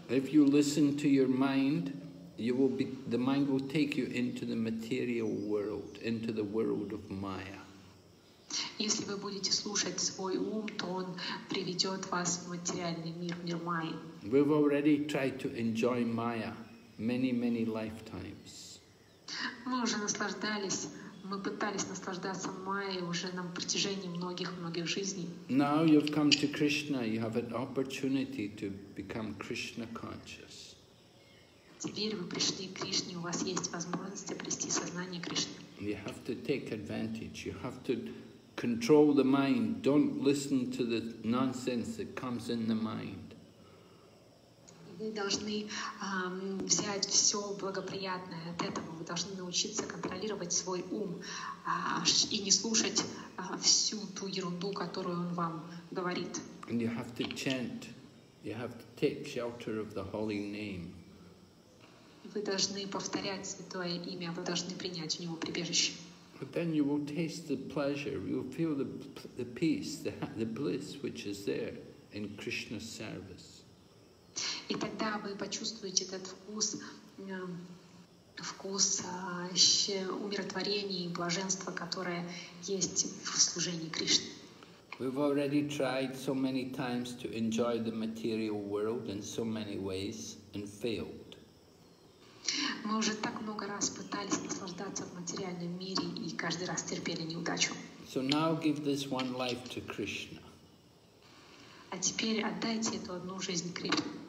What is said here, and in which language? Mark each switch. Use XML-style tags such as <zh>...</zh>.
<en>If you listen to your mind, the mind will take you into the material world, into the world of Maya.</en> <ru>Если вы будете слушать свой ум, то он приведет вас в материальный мир, мир Майи.</ru> <en>We've already tried to enjoy Maya many, many lifetimes.</en> <ru>Мы уже наслаждались. Мы пытались наслаждаться Майей уже на протяжении многих-многих жизней.</ru> <en>Now you've come to Krishna, you have an opportunity to become Krishna conscious.</en> <ru>Теперь вы пришли к Кришне, у вас есть возможность обрести сознание Кришны.</ru> <en>You have to take advantage, you have to control the mind, don't listen to the nonsense that comes in the mind.</en> <ru>Вы должны взять все благоприятное от этого. Вы должны научиться контролировать свой ум и не слушать всю ту ерунду, которую он вам говорит.</ru> <en>And you have to chant. You have to take shelter of the holy name.</en> <ru>Вы должны повторять святое имя. Вы должны принять у него прибежище.</ru> <en>But then you will taste the pleasure. You will feel the peace, the bliss, which is there in Krishna's service.</en> <ru>И тогда вы почувствуете этот вкус, умиротворения и блаженства, которое есть в служении Кришне.</ru> <en>We've already tried so many times to enjoy the material world in so many ways and failed.</en> <ru>Мы уже так много раз пытались наслаждаться в материальном мире и каждый раз терпели неудачу.</ru> <en>So now give this one life to Krishna.</en> <ru>А теперь отдайте эту одну жизнь Кришне.</ru>